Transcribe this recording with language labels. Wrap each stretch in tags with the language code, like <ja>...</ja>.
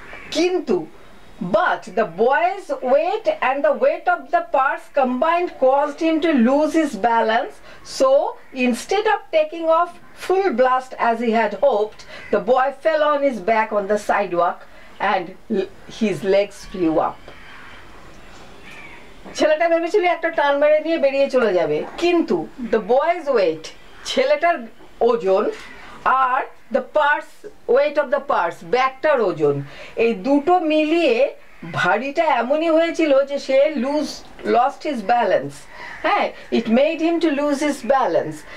<bn>Kintu,</bn> <en>but the boy's weight and the weight of the purse combined caused him to lose his balance. So, instead of taking off full blast as he had hoped, the boy fell on his back on the sidewalk. And his legs flew up.</en> <bn>ছেলেটা ভেবেছিল একটা টান মেরে নিয়ে বেরিয়ে চলে যাবে, কিন্তু</bn> <en>the boy's weight,</en> <bn>ছেলেটার ওজন আর</bn> <en>the purse, weight of the purse,</en> <bn>ব্যাগটার ওজন, এই দুটো মিলিয়ে ভারীটা এমনই হয়েছিল যে সে</bn> <en>lost his balance.</en> <bn>হ্যাঁ,</bn> <en>it made him to lose his balance.</en>